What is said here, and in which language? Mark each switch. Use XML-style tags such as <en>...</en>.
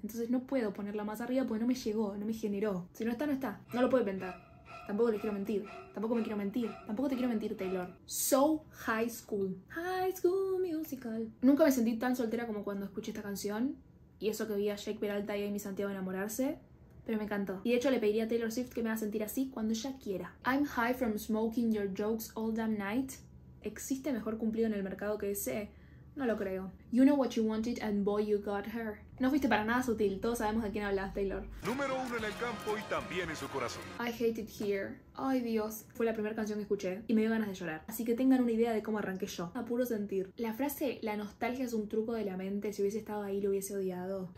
<es>Entonces no puedo ponerla más arriba porque no me llegó, no me generó. Si no está, no está. No lo puedo inventar. Tampoco le quiero mentir. Tampoco me quiero mentir. Tampoco te quiero mentir, Taylor. So High School. High School Musical. Nunca me sentí tan soltera como cuando escuché esta canción. Y eso que vi a Jake Peralta y Amy Santiago enamorarse. Pero me encantó. Y de hecho le pediría a Taylor Swift que me haga sentir así cuando ella quiera.</es> <en>I'm high from smoking your jokes all damn night.</en> <es>¿Existe mejor cumplido en el mercado que ese? No lo creo.</es> <en>You know what you wanted and boy you got her.</en> <es>No fuiste para nada sutil, todos sabemos de quién hablas, Taylor. Número uno en el campo y también en su corazón.</es> <en>I hate it here.</en> <es>Ay, Dios. Fue la primera canción que escuché y me dio ganas de llorar. Así que tengan una idea de cómo arranqué yo. A puro sentir. La frase, la nostalgia es un truco de la mente. Si hubiese estado ahí, lo hubiese odiado.</es>